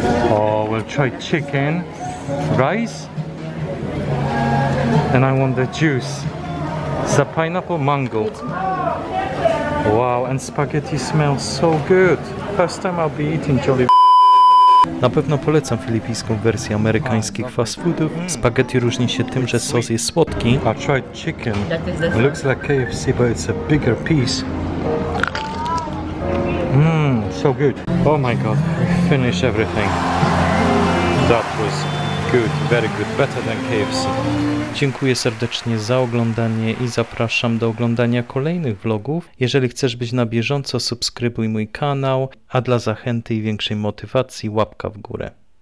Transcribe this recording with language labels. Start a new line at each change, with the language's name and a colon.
English: Oh, we'll try chicken, rice, and I want the juice. It's a pineapple mango. Wow, and spaghetti smells so good. First time I'll be eating Jollibee.
Polish: Na pewno polecam filipińską wersję amerykańskich fast foodów. Spaghetti różni się tym, że sos jest słodki.
English: I tried chicken. It looks like KFC, but it's a bigger piece. Mmm, so good. Oh my god, finish everything. That was good, very good, better than KFC.
Polish: Dziękuję serdecznie za oglądanie i zapraszam do oglądania kolejnych vlogów. Jeżeli chcesz być na bieżąco, subskrybuj mój kanał, a dla zachęty i większej motywacji łapka w górę.